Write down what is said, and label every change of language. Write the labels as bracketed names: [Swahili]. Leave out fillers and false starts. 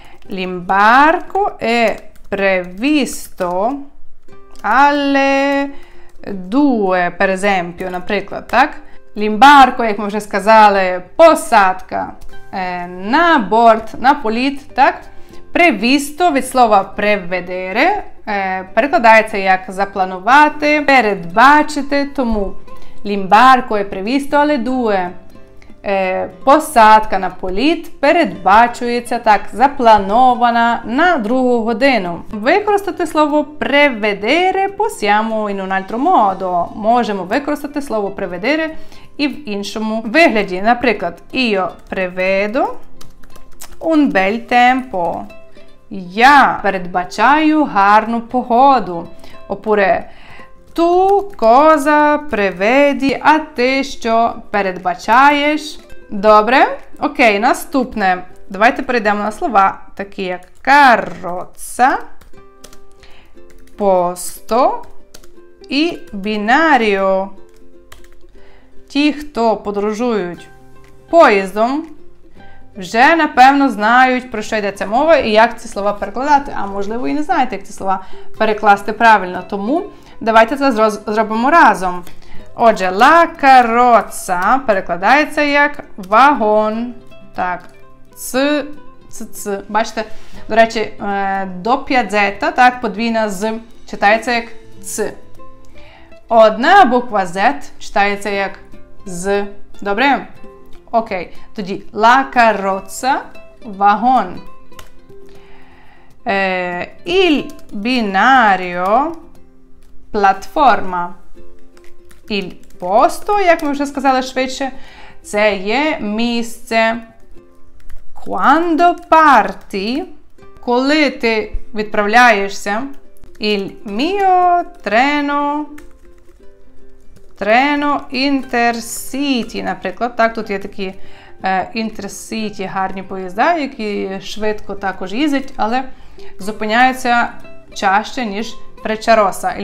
[Italian] L'imbarco è previsto alle 2, per esempio, [Ukrainian] наприклад, так? L'imbarco, як ми вже сказали, посадка на борт, на політ, так? Previsto від слова prevedere перекладається як запланувати, передбачити, тому [Italian] l'imbarco è previsto alle 2. [Ukrainian] Посадка на політ передбачується, так, запланована на 2 годину. Використати слово [Italian] prevedere possiamo in un altro modo. [Ukrainian] Можемо використати слово prevedere і в іншому вигляді. [Italian] Наприклад, io prevedo un bel tempo. [Ukrainian] Я передбачаю гарну погоду. [Italian] Oppure tu cosa prevedi, a te [Ukrainian] що передбачаєш? Добре, окей, наступне. Давайте перейдемо на слова, такі як carrozza, posto і binario. Ті, хто подорожують поїздом, вже, напевно, знають, про що йдеться мова і як ці слова перекладати. А можливо, і не знаєте, як ці слова перекласти правильно. Тому давайте це зробимо разом. Отже, la carrozza перекладається як вагон. Так, ц. Бачите, до речі, доп'я зета, так, подвійна з, читається як ц. Одна буква з читається як з. Добре? Окей, тоді la carrozza – вагон. Il binario – платформа. Il posto, як ми вже сказали швидше, це є місце. [Italian] Quando parti, [Ukrainian] коли ти відправляєшся, [Italian] il mio treno, [Ukrainian] treno Intercity, наприклад, так, тут є такі Intercity, гарні поїзда, які швидко також їздять, але зупиняються чаще, ніж Frecciarossa.